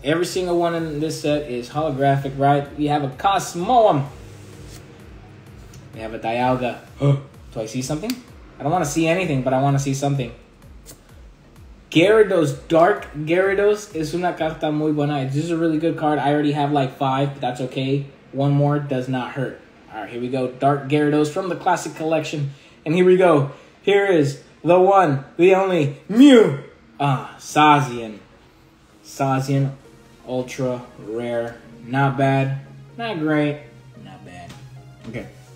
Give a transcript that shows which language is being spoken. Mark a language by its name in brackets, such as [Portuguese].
[English] Every single one in this set is holographic, right? We have a Cosmoem. We have a Dialga. Do I see something? I don't want to see anything, but I want to see something. [Spanish] Gyarados, Dark Gyarados es una carta muy buena. [English] This is a really good card. I already have like five, but that's okay. One more does not hurt. Alright, here we go. Dark Gyarados from the Classic Collection. And here we go. Here is... The one, the only, Mew! Sazian. Sazian, ultra rare. Not bad, not great, not bad. Okay.